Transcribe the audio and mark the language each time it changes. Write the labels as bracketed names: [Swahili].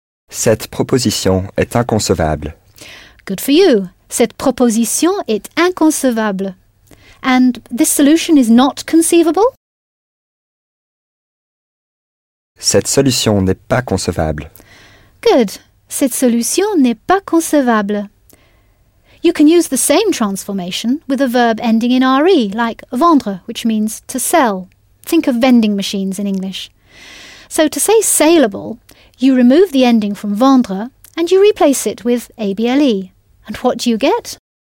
[French] Cette proposition est inconcevable. [English] Good for you. [French] Cette proposition est inconcevable. [English] And this solution is not conceivable? [French] Cette solution n'est pas concevable. [English] Good. [French] Cette solution n'est pas concevable. [English] You can use the same transformation with a verb ending in RE, like vendre, which means to sell. Think of vending machines in English. So to say saleable, you remove the ending from vendre and you replace it with ABLE. And what do you get?